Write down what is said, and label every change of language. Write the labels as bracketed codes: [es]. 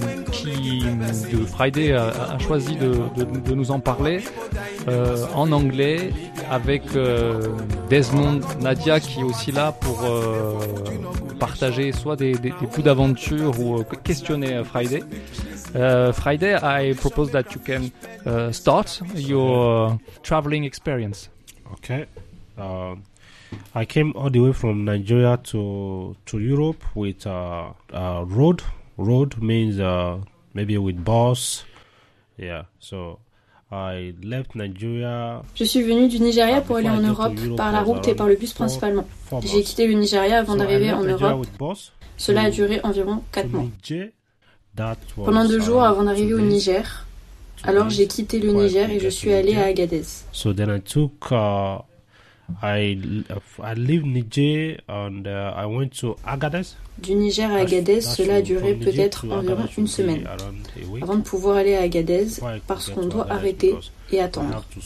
[fr] Qui de Friday a choisi de nous en parler en anglais avec Desmond, Nadia qui est aussi là pour partager soit des coups d'aventure ou questionner Friday. [en] Friday, I propose that you can start your traveling experience. Okay. I came all the way from Nigeria to Europe with a road. Road means maybe with bus. Yeah, so I left Nigeria. [fr] Je suis venu du Nigeria pour aller en Europe par la route et par le bus principalement. J'ai quitté le Nigeria avant d'arriver en Europe. Cela a duré environ 4 mois. Pendant 2 jours avant d'arriver au Niger, alors j'ai quitté le Niger et je suis allé à Agadez. [en] So then I took I leave Niger and I went to Agadez. [fr] Du Niger à Agadez, cela a duré peut-être environ une semaine avant de pouvoir aller à Agadez parce qu'on doit arrêter et attendre.